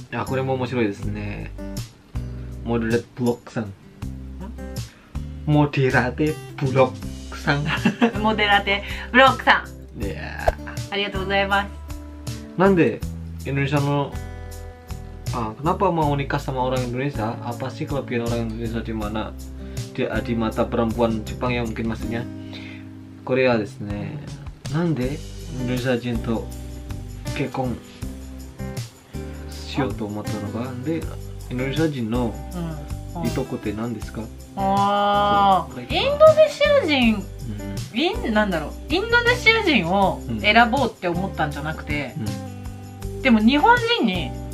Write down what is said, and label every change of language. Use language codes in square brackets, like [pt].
[ja] あ、これも面白いですね。モデレットブロックさん。モデラテブロックさん。モデラテブロックさん。いやー。ありがとうございます。なんでインドネシアの、 [id] kenapa mau nikah sama orang Indonesia? Apa sih kelebihan orang Indonesia di mana? Di mata perempuan Jepang yang mungkin maksudnya Korea [ja] ですね。なんでインドネシア人と結婚しようと思ったのか。で、インドネシア人のいとこって何ですか？インドネシア人、なんだろう、インドネシア人を選ぼうって思ったんじゃなくて、でも日本人に